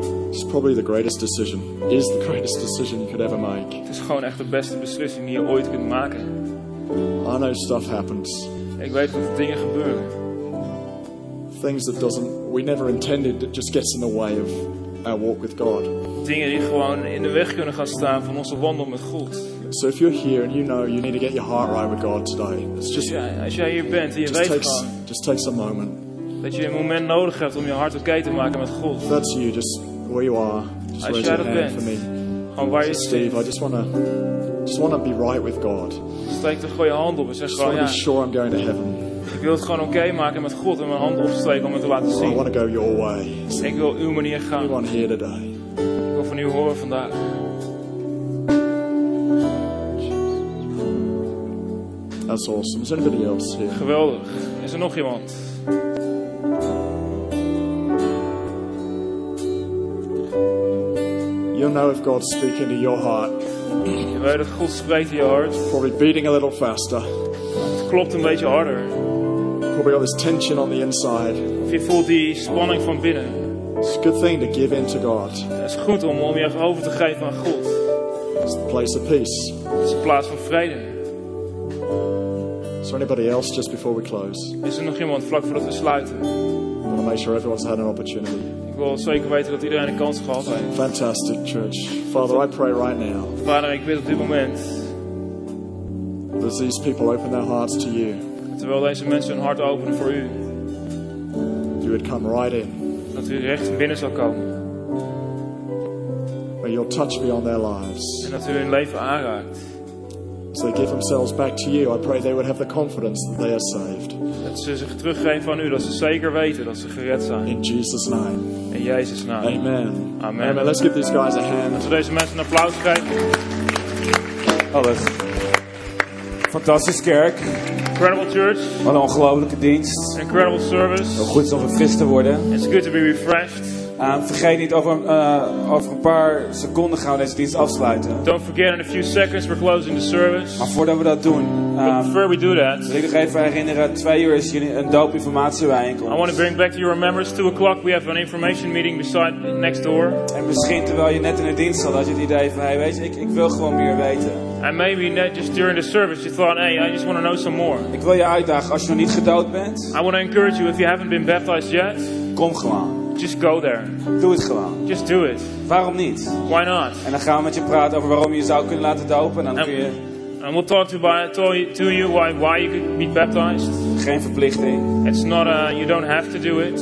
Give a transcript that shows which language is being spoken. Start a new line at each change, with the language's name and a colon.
English: It's probably the greatest decision. It is the greatest decision you could ever make.
Dutch: Het is gewoon echt de beste beslissing die je ooit kunt maken.
English: I know stuff happens.
Dutch: Ik weet dat dingen gebeuren.
English: Things that we never intended that just gets in the way of our walk with God.
Dutch: Dingen die gewoon in de weg kunnen gaan staan van onze wandel met God.
English: So if you're here and you know you need to get your heart right with God today, it's just
Dutch: als jij hier bent en je weet gewoon,
English: just takes a moment.
Dutch: Dat je een moment nodig hebt om je hart oké te maken met God.
English: That's you, just where you are. Just raise your hand for me.
Dutch: Gewoon waar je zit.
English: Steve, I just wanna be right with God.
Dutch: Steek de goede hand op en zeg gewoon ja.
English: Just be sure I'm going to heaven.
Dutch: Ik wil het gewoon oké maken met God en mijn hand opsteken om het te laten zien.
English: I want to go your way.
Dutch: Ik wil uw manier gaan.
English: Everyone here today.
Dutch: Van u horen vandaag.
English: That's awesome. Is anybody else here?
Dutch: Geweldig. Is er nog iemand?
English: You'll know if God's speaking to your heart.
Dutch: Je weet dat God spreekt in je hart.
English: Probably beating a little faster.
Dutch: Het klopt een beetje harder.
English: Probably got this tension on the inside.
Dutch: Of je voelt die spanning van binnen.
English: It's a good thing to give in to God.
Dutch: Het is goed om je over te geven aan God.
English: It's the place of peace.
Dutch: Het is een plaats van vrede.
English: Is there anybody else just before we close?
Dutch: Is er nog iemand vlak voordat we sluiten?
English: I want to make sure everyone's had an opportunity.
Dutch: Ik wil zeker weten dat iedereen een kans gehad heeft.
English: Fantastic, church. Father, I pray right now.
Dutch: Vader, ik bid op dit moment.
English: As these people open their hearts to you.
Dutch: Terwijl deze mensen hun hart openen voor u.
English: You would come right in.
Dutch: Dat u recht binnen zou komen.
English: May your touch be on their lives.
Dutch: En dat u hun leven aanraakt.
English: As they give themselves back to you, I pray they would have the confidence that they are saved.
Dutch: Dat ze zich teruggeven aan u, dat ze zeker weten dat ze gered zijn.
English: In Jesus' name.
Dutch: In Jezus' naam.
English: Amen.
Dutch: Amen.
English: Amen. Let's give these guys a hand.
Dutch: Laten we deze mensen een applaus geven. Alles. Fantastisch kerk.
English: Incredible church.
Dutch: Wat een ongelofelijke dienst.
English: Incredible service.
Dutch: Hoe goed is om verfrist te worden.
English: It's good to be refreshed.
Dutch: Vergeet niet, over een paar seconden gaan we deze dienst afsluiten.
English: Don't forget, in a few seconds we're closing the service.
Dutch: Maar voordat we dat doen,
English: before we do that,
Dutch: wil ik nog even herinneren, 2:00 is jullie een dope informatiebijeenkomst.
English: I want to bring back to your remembrance, 2:00 we have an information meeting beside next door.
Dutch: En misschien terwijl je net in de dienst zat, had je het idee van, hey, weet je, ik wil gewoon meer weten.
English: And maybe not just during the service, you thought, hey, I just want to know some more.
Dutch: Ik wil je uitdagen, als je nog niet gedoopt bent.
English: I want to encourage you, if you haven't been baptized yet.
Dutch: Kom gewoon.
English: Just go there.
Dutch: Doe het gewoon.
English: Just do it.
Dutch: Waarom niet?
English: Why not?
Dutch: En dan gaan we met je praten over waarom je zou kunnen laten dopen. Dan kun je...
English: And we'll talk to you why you could be baptized.
Dutch: Geen verplichting.
English: It's not you don't have to do it.